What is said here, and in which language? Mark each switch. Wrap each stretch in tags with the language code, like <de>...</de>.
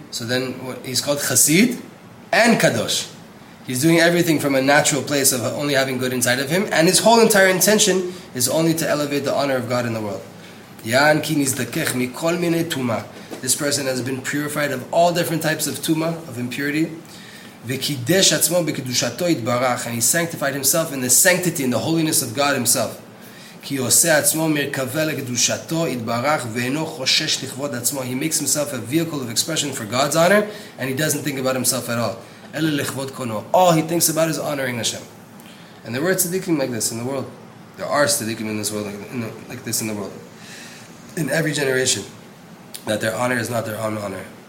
<en>So then he's called Chassid and Kadosh. He's doing everything from a natural place of only having good inside of him, and his whole entire intention is only to elevate the honor of God in the world.</en> <he>Yan ki nizdakech mikol minei tuma.</he> <en>This person has been purified of all different types of tuma, of impurity.</en> <he>Vekidesh atzmo bekedushato itbarach,</he> <en>and he sanctified himself in the sanctity and the holiness of God himself.</en> <he>כי עושה עצמו מרכבה לקדושתו, התברך, ואינו חושש לכבוד עצמו.</he> <en>He makes himself a vehicle of expression for God's honor, and he doesn't think about himself at all.</en> <he>אלא לכבוד קונו.</he> <en>All he thinks about is honoring Hashem. And there were tzaddikim like this in the world. There are tzaddikim in this world, like this in the world. In every generation, that their honor is not their own honor.</en>